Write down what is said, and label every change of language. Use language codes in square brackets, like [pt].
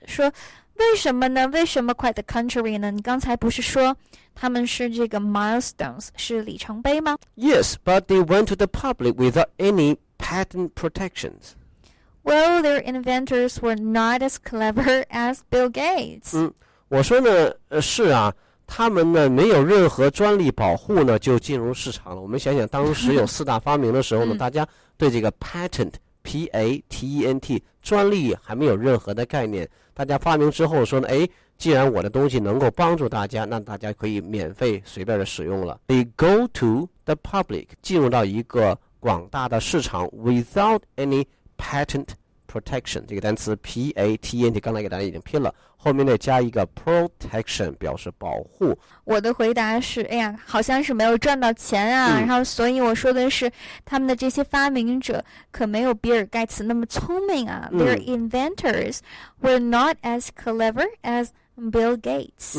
[zh] 说为什么呢？为什么 [en] quite the contrary [zh] 呢？你刚才不是说他们是这个 milestones 是里程碑吗？ [en] Yes, but they went to the public without any patent protections. Well, their inventors were not as clever as Bill Gates. [zh] 嗯，我说呢，是啊，他们呢没有任何专利保护呢就进入市场了。我们想想当时有四大发明的时候呢，大家对这个 patentP-A-T-E-N-T 专利还没有任何的概念，大家发明之后说呢，哎，既然我的东西能够帮助大家，那大家可以免费随便的使用了。 [en] They go to the public， [zh] 进入到一个广大的市场 [en] without any patent protection。 [zh] 这个单词 P-A-T-E-N-T 刚才给大家已经拼了，后面再加一个 protection 表示保护。我的回答是，哎呀，好像是没有赚到钱啊、嗯、然后所以我说的是他们的这些发明者可没有比尔盖茨那么聪明啊、嗯、 [en] Their inventors were not as clever as Bill Gates、